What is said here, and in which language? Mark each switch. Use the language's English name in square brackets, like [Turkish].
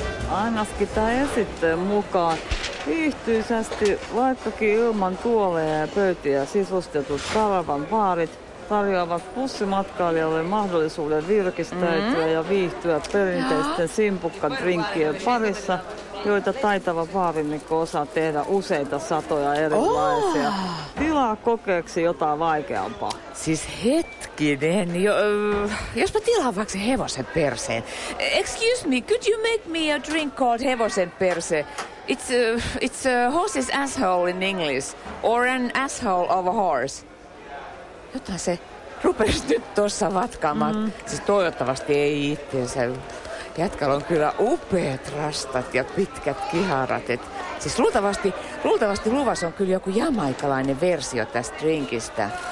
[Finnish] Ainakin tämä esittää mukaan viihtyisesti, vaikkakin ilman tuoleja ja pöytiä sisustetut karavan baarit tarjoavat bussimatkailijalle mahdollisuuden virkistäytyä ja viihtyä perinteisten simpukkadrinkien parissa, joita taitava baarimikko osaa tehdä useita satoja erilaisia. Oh. Tilaa kokeeksi jotain vaikeampaa. Siis hetkinen, jos mä tilaan vaikka hevosen perseen. [English] Excuse me, could you make me a drink called [Finnish] hevosen perse? [English] It's a horse's asshole in English, or an asshole of a horse. [Finnish] Jota se rupesi nyt tuossa vatkaamaan. Siis toivottavasti ei itseensä. Jätkällä on kyllä upeat rastat ja pitkät kiharat. Et siis luultavasti luvassa on kyllä joku jamaikalainen versio tästä drinkistä.